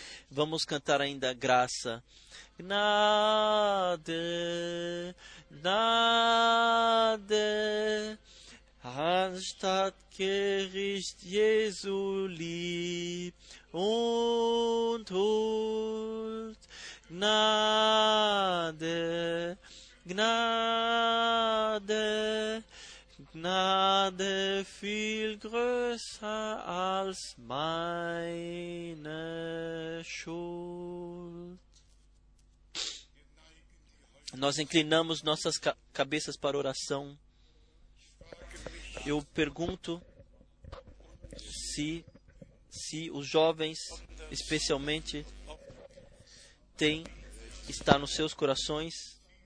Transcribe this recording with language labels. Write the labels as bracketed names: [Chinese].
[Portuguese] Vamos cantar ainda graça. [German] Gnade, Gnade, anstatt Gericht Jesu lieb und huld. Gnade, Gnade, Gnade viel größer als meine Schuld. [Portuguese] Nós inclinamos nossas cabeças para oração. Eu pergunto se os jovens, especialmente, está nos seus corações.